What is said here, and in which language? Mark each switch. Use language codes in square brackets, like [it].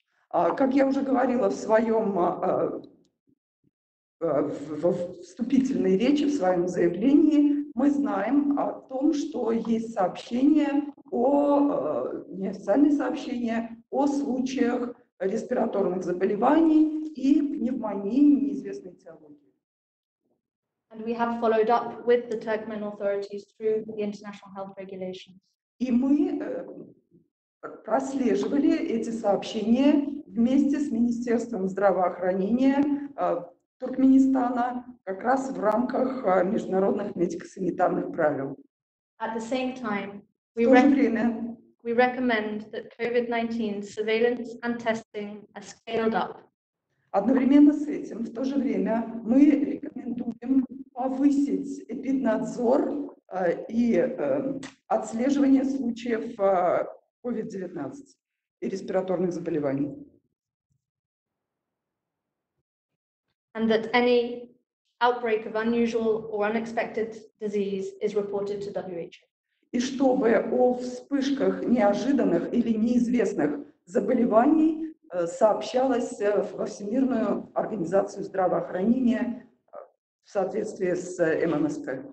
[ru] Как я уже говорила в своем вступительной речи, в своем заявлении, мы знаем о том, что есть сообщения о неофициальные сообщения о случаях респираторных заболеваний и пневмонии неизвестной этиологии. [en] And we have followed up with the Turkmen authorities through the international health regulations. [ru] И мы прослеживали эти сообщения вместе с Министерством здравоохранения Туркменистана как раз в рамках международных медико-санитарных правил. [en] At the same time, we recommend that COVID-19 surveillance and testing are scaled up. [ru] Одновременно с этим, в то же время, мы рекомендуем повысить эпиднадзор и отслеживание случаев COVID-19 и респираторных заболеваний. [en] And that any outbreak of unusual or unexpected disease is reported to WHO. [ru] И чтобы о вспышках неожиданных или неизвестных заболеваний сообщалось во Всемирную организацию здравоохранения в соответствии с ММСП.